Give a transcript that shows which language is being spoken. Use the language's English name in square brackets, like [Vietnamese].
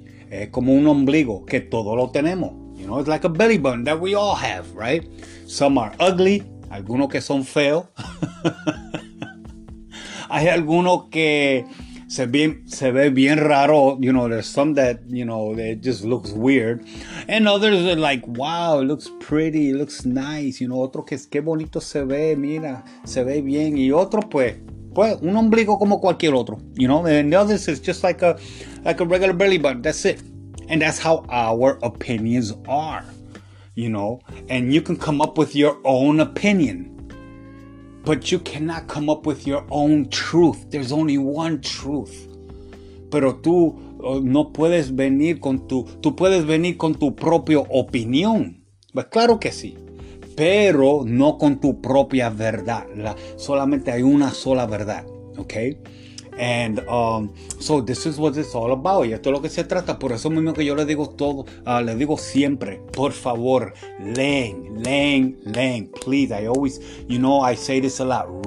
[Spanish] Es como un ombligo, que todo lo tenemos. [English] You know, it's like a belly button that we all have, right? Some are ugly. [Spanish] Algunos que son feos. Hay algunos que se ve bien raro. [English] You know, there's some that, you know, it just looks weird. And others are like, wow, it looks pretty, it looks nice. [Spanish] You know, otro que es que bonito se ve, mira, se ve bien. Y otro, pues, un ombligo como cualquier otro. [English] You know, and the others is just like a regular belly button. That's it. And that's how our opinions are, you know. And you can come up with your own opinion, but you cannot come up with your own truth. There's only one truth. [Spanish] Pero tú no puedes venir con tu... Tú puedes venir con tu propia opinión. Pues claro que sí. Pero no con tu propia verdad. Solamente hay una sola verdad. [English] Okay? And so this is what it's all about. [Spanish] Y esto es lo que se trata. Por eso mismo que yo le digo todo, le digo siempre, por favor, leen. [English] Please, I always, you know, I say this a lot.